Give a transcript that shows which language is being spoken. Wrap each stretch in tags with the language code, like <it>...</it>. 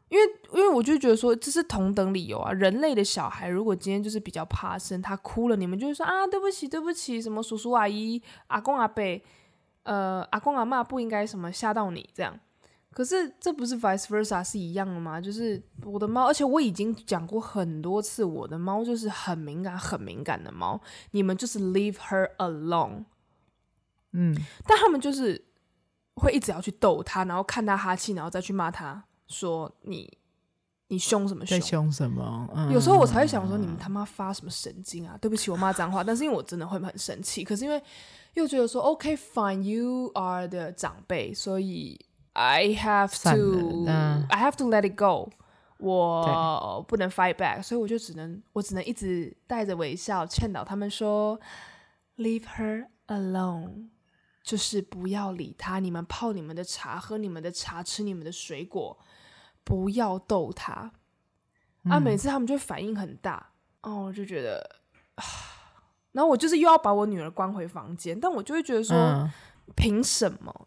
<zh>因为我就觉得说这是同等理由啊。人类的小孩如果今天就是比较怕生，他哭了，你们就会说啊，对不起，对不起，什么叔叔阿姨、阿公阿伯，阿公阿嬷不应该什么吓到你这样。可是这不是 vice versa 是一样的吗？就是我的猫，而且我已经讲过很多次，我的猫就是很敏感、很敏感的猫。你们就是</zh> <en>leave her alone。</en> <zh>嗯，但他们就是会一直要去逗他，然后看他哈气，然后再去骂他。说你凶什么凶？在凶什么、嗯？有时候我才会想说，你们他妈发什么神经啊？对不起，我骂脏话，但是因为我真的会很生气。可是因为又觉得说 ，</zh> <en>OK fine， you are the</en> <zh>长辈，所以</zh> <en>I have to let it go，</en> <zh>我不能</zh> <en>fight back，</en> <zh>所以我只能一直带着微笑劝导他们说 ，</zh> <en>leave her alone。</en> <zh>就是不要理他，你们泡你们的茶，喝你们的茶，吃你们的水果，不要逗他、嗯、啊！每次他们就反应很大，哦，我就觉得，然后我就是又要把我女儿关回房间，但我就会觉得说、嗯、凭什么？</zh>